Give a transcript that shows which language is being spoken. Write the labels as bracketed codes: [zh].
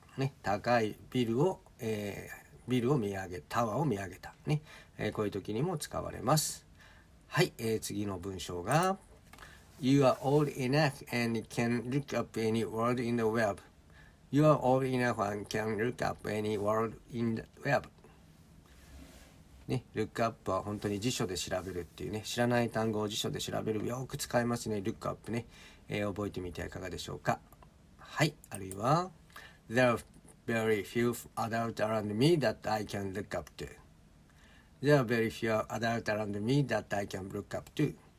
[ja] ね、高いビルを、ビルを見上げ、タワーを見上げた。ね、こういう時にも使われます。はい、次の文章が [en] You are old enough and can look up any word in the web. You are old enough and can look up any word in the web. [ja] ね、look up は本当に辞書で調べるっていうね、知らない単語を辞書で調べる、よく使いますね、look up ね、覚えてみてはいかがでしょうか。はい、あるいは [en] There are very few adults around me that I can look up to. There are very few adults around me that I can look up to.